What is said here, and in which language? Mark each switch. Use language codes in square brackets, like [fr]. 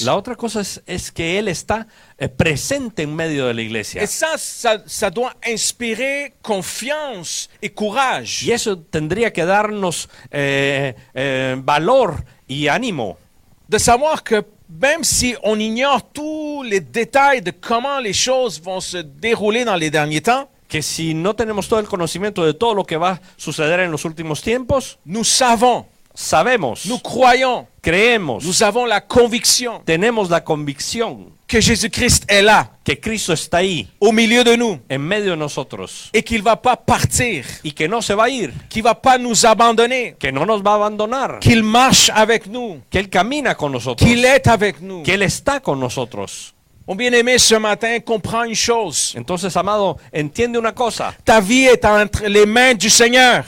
[es] La otra cosa es que él está presente en medio de la iglesia. [fr] Et ça doit inspirer confiance et courage. [es] Y eso tendría que darnos valor y ánimo. [fr] De savoir que même si on ignore tous les détails de comment les choses vont se dérouler dans les derniers temps, [es] que si no tenemos todo el conocimiento de todo lo que va a suceder en los últimos tiempos, [fr] nous savons, [es] sabemos, [fr] nous croyons, [es] creemos, [fr] nous avons la conviction, [es] tenemos la convicción, [fr] que Jésus-Christ est là, [es] que Cristo está ahí, [fr] au milieu de nous, [es] en medio de nosotros, [fr] et qu'il va pas partir, [es] y que no se va a ir, [fr] qu'il va pas nous abandonner, [es] que no nos va a abandonar, [fr] qu'il marche avec nous, [es] que él camina con nosotros, [fr] qu'il est avec nous, [es] que él está con nosotros. [fr] Mon bien-aimé, ce matin, comprends une chose. [es] Entonces, amado, entiende una cosa. [fr] Ta vie est entre les mains du Seigneur.